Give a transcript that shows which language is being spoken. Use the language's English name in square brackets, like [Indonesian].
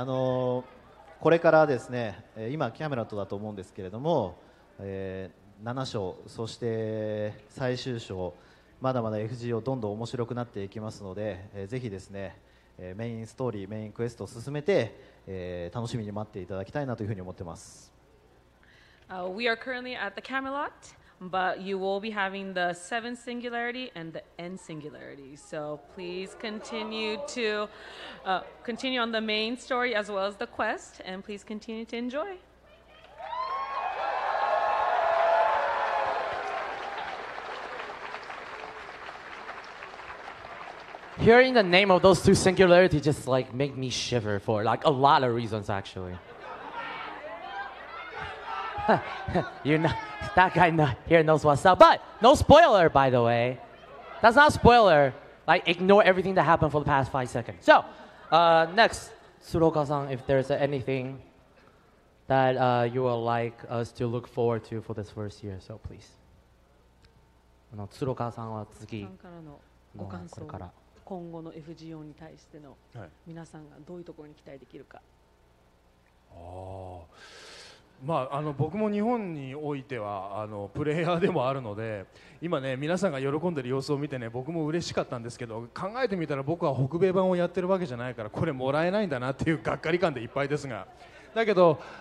[Japanese] これからですね、今キャメラットだと思うんですけれども、7章、そして最終章、まだまだ FGO どんどん面白くなっていきますので、ぜひですね、メインストーリー、メインクエストを進めて、楽しみに待っていただきたいなというふうに思ってます。 [English] We are currently at the Camelot, but you will be having the 7th Singularity and the N Singularity. So please continue on the main story as well as the quest, and please continue to enjoy. Hearing the name of those two singularities just like make me shiver for like a lot of reasons actually. You're not, that guy here knows what's up. But no spoiler by the way. That's not a spoiler. Like ignore everything that happened for the past 5 seconds. So next, Tsuruoka-san, if there's anything that you would like us to look forward to for this first year, so please. [Japanese] Tsuruoka-san は次ご感想から今後の FGO に対しての皆さんがどういうところに期待できるか、はい、あまあ、僕も日本においてはプレイヤーでもあるので、今ね皆さんが喜んでる様子を見てね僕も嬉しかったんですけど、考えてみたら僕は北米版をやってるわけじゃないからこれもらえないんだなっていうがっかり感でいっぱいですが、だけど